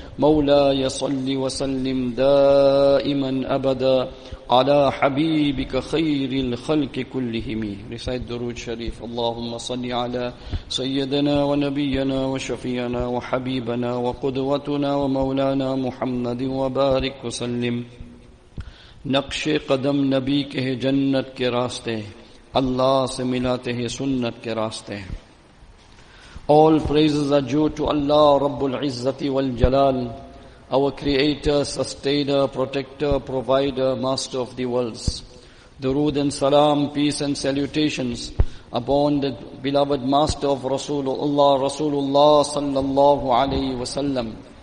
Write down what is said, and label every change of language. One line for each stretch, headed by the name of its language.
Arabic: مولاي صل وسلم دائما أبدا على حبيبك خير الخلق كلهم. رسالة درود شريف. اللهم صل على سيدنا ونبينا وشفينا وحبيبنا وقدوتنا ومولانا محمد وبارك وسلم.
Urdu: نقش قدم نبی کے ہیں جنت کے راستے، اللہ سے ملاتے ہیں سنت کے راستے.
English: All praises are due to Allah
Arabic: رب العزت والجلال،
English: our creator, sustainer, protector, provider, master of the worlds. درود and salam, peace and salutations upon the beloved master of Rasulullah sallallahu alayhi wa sallam.